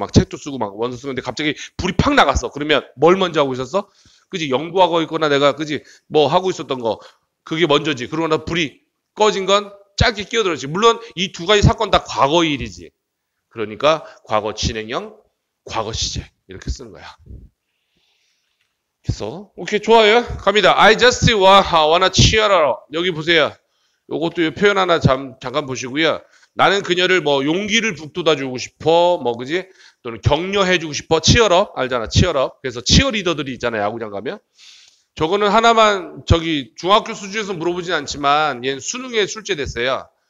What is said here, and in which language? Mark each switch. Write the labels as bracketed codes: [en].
[ko] 막 책도 쓰고 막 원서 쓰는데 갑자기 불이 팍 나갔어. 그러면 뭘 먼저 하고 있었어? 그지? 연구하고 있거나 내가 그지? 뭐 하고 있었던 거. 그게 먼저지. 그러고 나서 불이 꺼진 건 짧게 끼어들었지. 물론 이두 가지 사건 다 과거 일이지. 그러니까 과거 진행형, 과거 시제. 이렇게 쓰는 거야. 됐어? 오케이, 좋아요. 갑니다. [en] I just wanna cheer her up. [ko] 여기 보세요. 요것도 표현 하나 잠깐 보시고요. 나는 그녀를 뭐 용기를 북돋아 주고 싶어. 뭐 그지? 또는 격려해 주고 싶어. 치얼업. 알잖아. 치얼업. 그래서 치어리더들이 있잖아. 야구장 가면. 저거는 하나만 저기 중학교 수준에서 물어보진 않지만 얘는 수능에 출제됐어요.